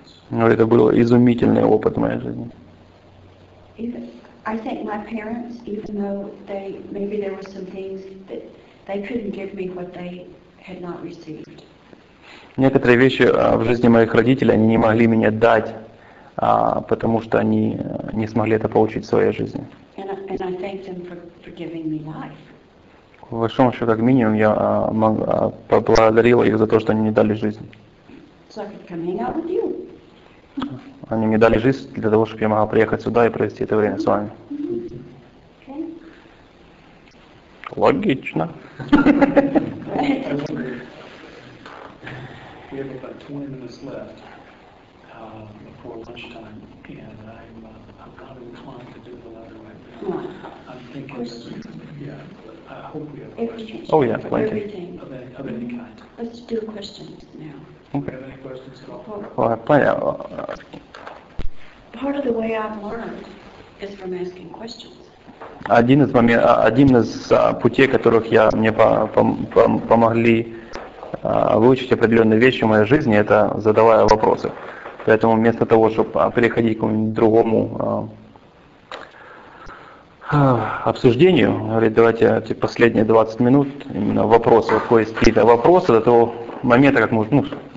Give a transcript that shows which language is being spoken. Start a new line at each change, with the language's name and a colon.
Russian: Это был изумительный опыт в моей жизни.
English: I thank my parents, even though maybe there were some things that they couldn't give me what they had not received.
Russian: Некоторые вещи в жизни моих родителей они не могли мне дать, потому что они не смогли это получить в своей жизни.
English: And I thank them for giving me life.
Russian: В большом счете, как минимум, я поблагодарил их за то, что они мне дали жизнь.
English: So I could come hang out with you.
Russian: Они мне дали жизнь для того, чтобы я могла приехать сюда и провести это время с вами.
English: Okay.
Russian: Логично.
English: We have about 20 minutes left before lunchtime, and I'm not inclined to do the letter right now. I'm thinking I hope we have questions. Oh yeah, plenty. Of any kind. Let's do questions now. Do you have any questions at all? Well, part of the way I've learned is from asking questions.
Russian: Один из путей, которых я мне помогли выучить определенные вещи в моей жизни, это задавая вопросы. Поэтому вместо того, чтобы переходить к какому-нибудь другому обсуждению, говорит, давайте эти последние 20 минут именно вопросы, поиск какие-то вопросы до того момента, как мы.